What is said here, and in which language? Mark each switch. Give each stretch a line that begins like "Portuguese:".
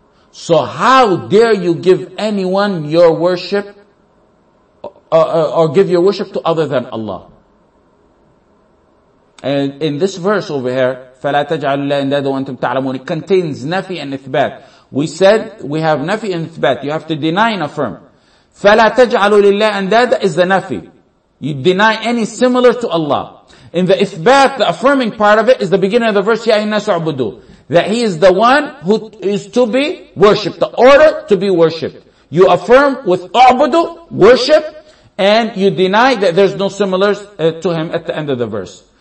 English: So how dare you give anyone your worship or give your worship to other than Allah? And in this verse over here,
Arabic: فَلَا تَجْعَلُ اللَّهِ أَنْدَادًا وَأَنْتُمْ تَعْلَمُونَ.
English: It contains nafi and ithbat. We said we have nafi and ithbat. You have to deny and affirm.
Arabic: فَلَا تَجْعَلُ لِلَّهِ أَنْدَادًا
English: is the nafi. You deny any similar to Allah. In the ithbat, the affirming part of it is the beginning of the verse,
Arabic: يَا إِنَّاسُ عُبُدُوا.
English: That He is the one who is to be worshipped. The order to be worshipped. You affirm with عُبُدُوا, worship, and you deny that there's no similars to Him at the end of the verse.